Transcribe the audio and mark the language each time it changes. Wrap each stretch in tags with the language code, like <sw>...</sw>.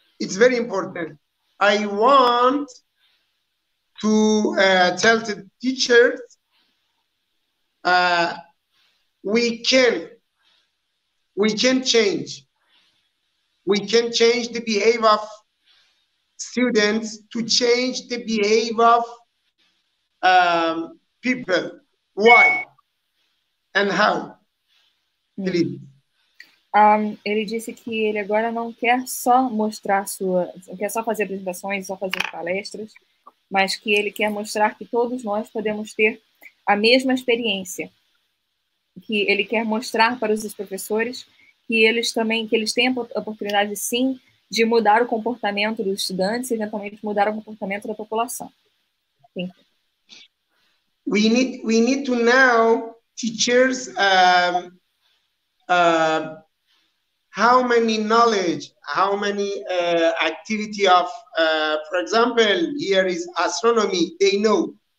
<en>It's very important. I want to tell the teachers we can change. We can change the behavior of students to change the behavior of people. Why? And how?</en> <pt>Ele disse que ele agora não quer só mostrar quer só fazer apresentações, só fazer palestras, mas que ele quer mostrar que todos nós podemos ter a mesma experiência. Que ele quer mostrar para os professores que eles também, que eles têm a oportunidade, sim, de mudar o comportamento dos estudantes e eventualmente mudar o comportamento da população. Sim.</pt> <en>We need to know teachers, how many knowledge, how many activity of, for example, here is astronomy, they know.</en>